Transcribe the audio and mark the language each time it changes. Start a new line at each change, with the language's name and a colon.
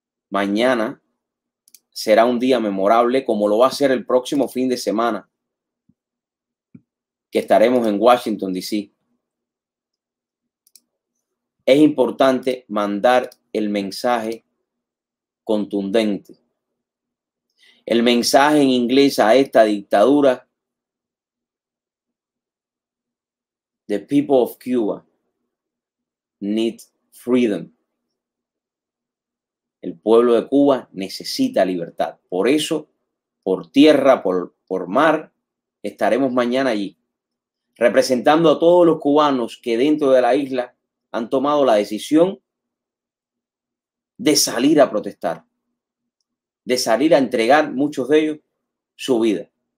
Spanish: Mañana será un día memorable, como lo va a ser el próximo fin de semana que estaremos en Washington DC. Es importante mandar el mensaje contundente. El mensaje en inglés a esta dictadura.
English: The people of Cuba need freedom.
Spanish: El pueblo de Cuba necesita libertad. Por eso, por tierra, por mar, estaremos mañana allí, representando a todos los cubanos que dentro de la isla han tomado la decisión de salir a protestar, de salir a entregar, muchos de ellos, su vida.